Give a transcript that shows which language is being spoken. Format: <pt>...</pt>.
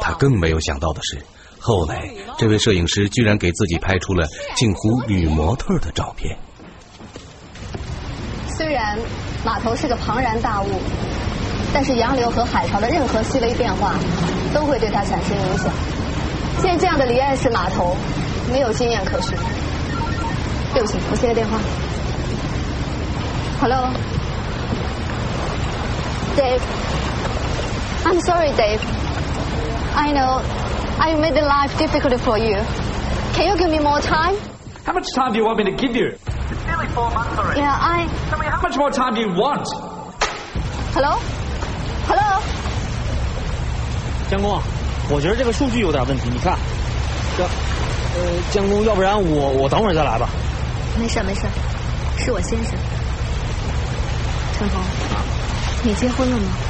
<zh>他更没有想到的是，后来这位摄影师居然给自己拍出了近乎女模特的照片。虽然码头是个庞然大物，但是洋流和海潮的任何细微变化都会对它产生影响。现在这样的离岸式码头没有经验可循。对不起，我接个电话。</zh> <en>Hello Dave, I'm sorry Dave, I know I made life difficult for you. Can you give me more time? How much time do you want me to give you? Yeah, I. Tell me, how much more time do you want? Hello, hello.</en> <zh>江工，我觉得这个数据有点问题。你看，江工，要不然我等会儿再来吧。没事没事，是我先生。陈红，你结婚了吗？</zh>